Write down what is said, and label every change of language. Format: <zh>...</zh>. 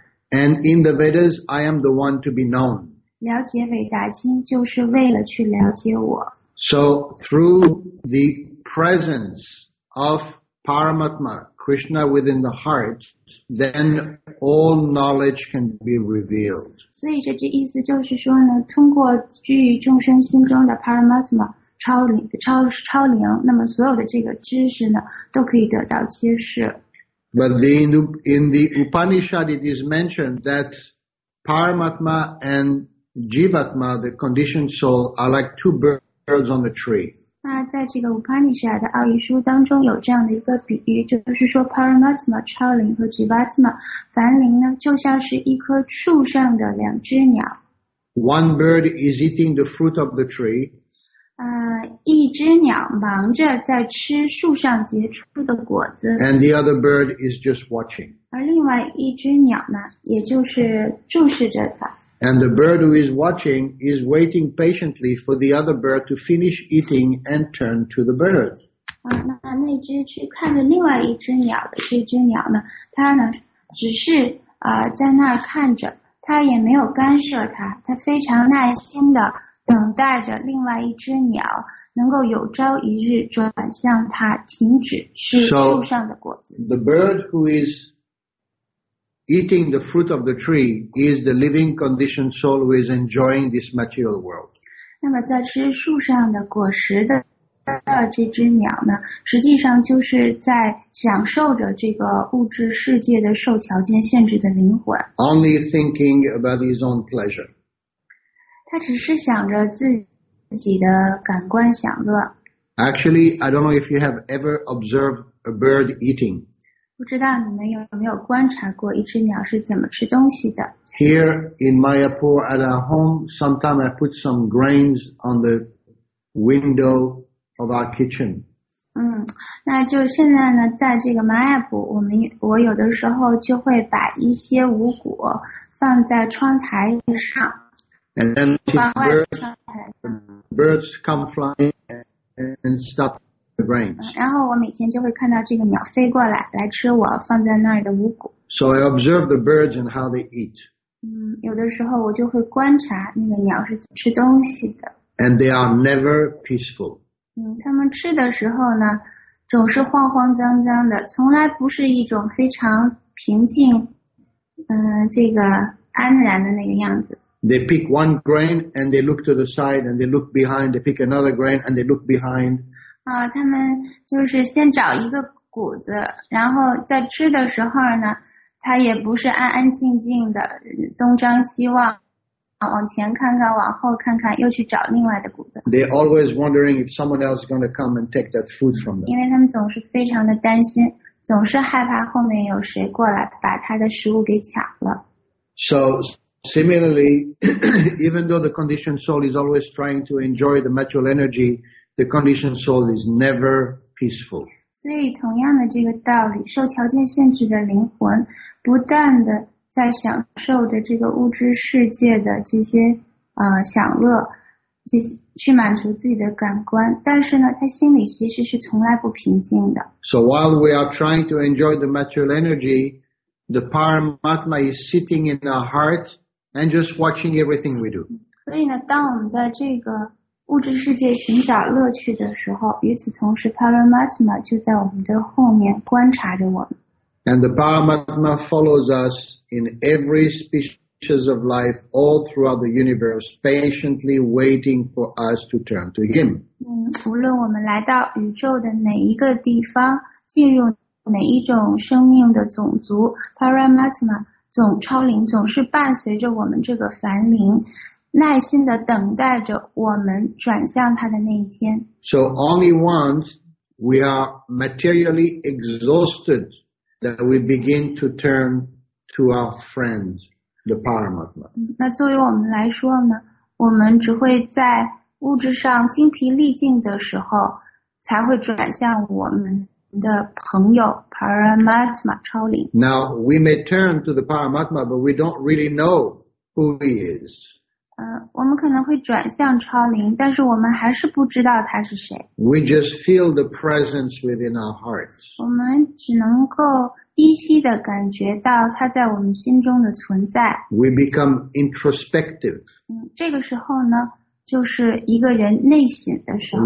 <en>And in the Vedas, I am the one to be known.</en> <zh>了解韦达经就是为了去了解我。</zh> <en>So through the presence of Paramatma, Krishna within the heart, then all knowledge can be revealed.</en> <zh>所以这句意思就是说呢，通过居于众生心中的 Paramatma 超灵，那么所有的这个知识呢，都可以得到揭示。</zh> <en>But in the Upanishad it is mentioned that Paramatma and Jivatma, the conditioned soul, are like two birds on a tree.</en> <zh>那在这个 Upanishad 的奥义书当中有这样的一个比喻，就是说 Paramatma 超灵和 Jivatma 凡灵呢，就像是一棵树上的两只鸟。</zh> <en>One bird is eating the fruit of the tree.</en> <zh>一只鸟忙着在吃树上结出的果子。</zh> <en>And the other bird is just watching.</en> <zh>而另外一只鸟呢，也就是注视着它。</zh> <en>And the bird who is watching is waiting patiently for the other bird to finish eating and turn to the bird.</en> <zh>那只去看着另外一只鸟的这只鸟呢，它呢只是在那儿看着，他也没有干涉他，他非常耐心地等待着另外一只鸟能够有朝一日转向他，停止吃树上的果子。</zh> <en>So, the bird who is eating the fruit of the tree is the living conditioned soul who is enjoying this material world.</en> <zh>那么在吃树上的果实的这只鸟呢，实际上就是在享受着这个物质世界的受条件限制的灵魂。</zh> <en>Only thinking about his own pleasure.</en> <zh>他只是想着自己的感官享乐。</zh> <en>Actually, I don't know if you have ever observed a bird eating.</en> <zh>不知道你们有没有观察过一只鸟是怎么吃东西的。</zh> <en>Here in Mayapur at our home, sometimes I put some grains on the window. Of our kitchen.</en> <zh>那就现在呢，在这个马亚普，我有的时候就会把一些五谷放在窗台上。</zh> <en>And then birds come flying and stop the grains.</en> <zh>然后我每天就会看到这个鸟飞过来，来吃我放在那儿的五谷。</zh> <en>So I observe the birds and how they eat.</en> <zh>有的时候我就会观察那个鸟是吃东西的。</zh> <en>And they are never peaceful.</en> <zh>他们吃的时候呢，总是慌慌张张的，从来不是一种非常平静，这个安然的那个样子。</zh> <en>They pick one grain and they look to the side and they look behind. They pick another grain and they look behind.</en> <zh>他们就是先找一个谷子，然后在吃的时候呢，他也不是安安静静的东张西望。往前看看，往后看看，又去找另外的谷子。</zh> <en>They're always wondering if someone else is going to come and take that food from them.</en> <zh>因为他们总是非常的担心，总是害怕后面有谁过来把他的食物给抢了。</zh> <en>So similarly, even though the conditioned soul is always trying to enjoy the material energy, the conditioned soul is never peaceful.</en> <zh>所以同样的这个道理，受条件限制的灵魂不断的。在享受着这个物质世界的这些享乐，去满足自己的感官，但是呢，他心里其实是从来不平静的。</zh> <en>So while we are trying to enjoy the material energy, the Paramatma is sitting in our heart and just watching everything we do.</en> <zh>所以呢，当我们在这个物质世界寻找乐趣的时候，与此同时 ，Paramatma 就在我们的后面观察着我们。</zh> <en>And the Paramatma follows us in every species of life all throughout the universe, patiently waiting for us to turn to him.</en> <zh>无论我们来到宇宙的哪一个地方，进入哪一种生命的种族， Paramatma 总超灵总是伴随着我们这个凡灵，耐心地等待着我们转向他的那一天。</zh> <en>So only once we are materially exhausted,that we begin to turn to our friends, the Paramatma.</en> <zh>那作为我们来说呢，我们只会在物质上精疲力尽的时候，才会转向我们的朋友 Paramatma 超灵。</zh> <en>Now we may turn to the Paramatma, but we don't really know who he is.</en> <zh>我们可能会转向超灵，但是我们还是不知道他是谁。</zh> <en>We just feel the presence within our hearts.</en> <zh>我们只能够依稀地感觉到他在我们心中的存在。</zh> <en>We become introspective.</en> <zh>这个时候呢，就是一个人内省的时候。</zh>